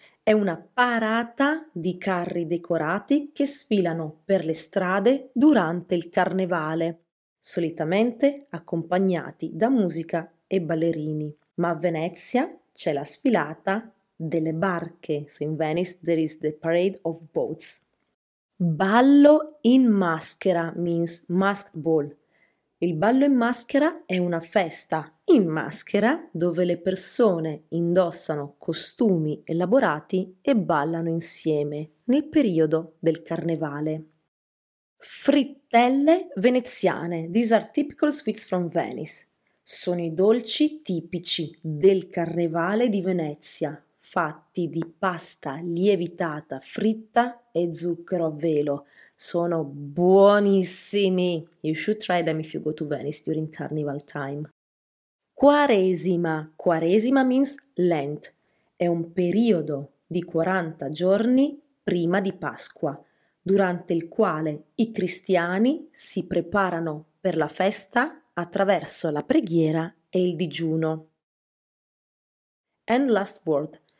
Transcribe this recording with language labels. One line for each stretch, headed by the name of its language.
Italian: È una parata di carri decorati che sfilano per le strade durante il carnevale, solitamente accompagnati da musica e ballerini. Ma a Venezia c'è la sfilata delle barche.
English: So in Venice there is the parade of boats. Ballo in maschera means masked ball.
Italian: Il ballo in maschera è una festa in maschera dove le persone indossano costumi elaborati e ballano insieme nel periodo del carnevale.
English: Frittelle veneziane. These are typical sweets from Venice.
Italian: Sono i dolci tipici del carnevale di Venezia, fatti di pasta lievitata fritta e zucchero a velo. Sono buonissimi.
English: You should try them if you go to Venice during Carnival time. Quaresima. Quaresima means Lent.
Italian: È un periodo di 40 giorni prima di Pasqua, durante il quale i cristiani si preparano per la festa attraverso la preghiera e il digiuno.
English: And last word.